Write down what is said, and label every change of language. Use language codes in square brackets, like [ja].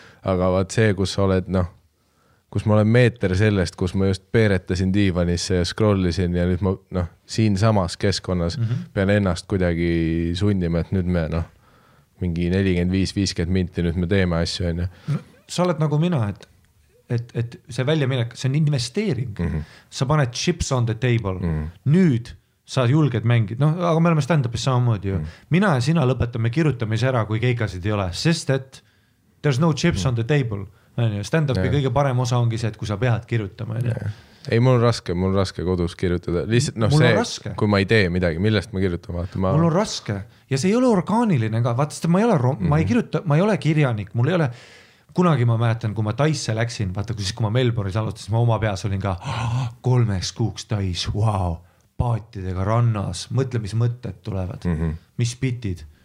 [et] Aga vaat see, kus sa oled, noh, kus ma olen meeter sellest, kus ma just peeretasin diivanisse ja scrollisin ja nüüd ma, noh, siin samas keskkonnas pean ennast kuidagi sundima, et nüüd me, noh, mingi 45-50 minti nüüd me teeme asju. No, sa oled nagu mina, et see välja minek, see on investeering. Mm-hmm. Sa paned [en] chips on the table. [et] Mm-hmm. Nüüd sa julged mängid. No, aga me oleme stand-upis samamoodi. Mm-hmm. Mina ja sina lõpetame kirjutamise ära, kui keikasid ei ole. Sest, et [en] there's no chips on the table. [et] Stand-upi kõige parem osa ongi see, et kui sa pead kirjutama. Ei, mul on raske kodus kirjutada. Lihtsalt, no, see, raske. Kui ma ei tee midagi, millest ma kirjutama? Mul on raske. Ja see ei ole orgaaniline ka. Vaatest, ma ei ole, ma ei kirjuta, ma ei ole kirjanik. Mul ei ole... Kunagi ma mäletan, kui ma Taisse läksin, vaata, kui siis kui ma Melbourne'is alustasin, ma oma peas olin ka kolmeks kuuks Tais, wow, paatidega rannas, mõtle, mis mõtted tulevad, mis pitid.